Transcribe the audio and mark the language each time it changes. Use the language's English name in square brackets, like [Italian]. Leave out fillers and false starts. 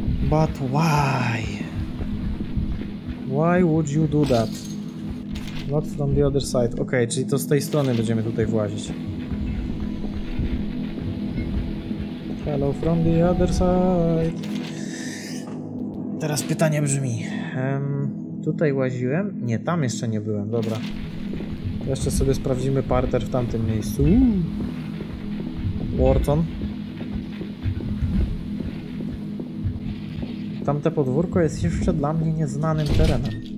[English] But why? Why would you do that? Not from the other side. [Polish] Ok, czyli to z tej strony będziemy tutaj włazić. [English] Hello from the other side. [Polish] Teraz pytanie brzmi. Tutaj łaziłem? Nie, tam jeszcze nie byłem, dobra. Jeszcze sobie sprawdzimy parter w tamtym miejscu. Wharton. tamte podwórko jest jeszcze dla mnie nieznanym terenem.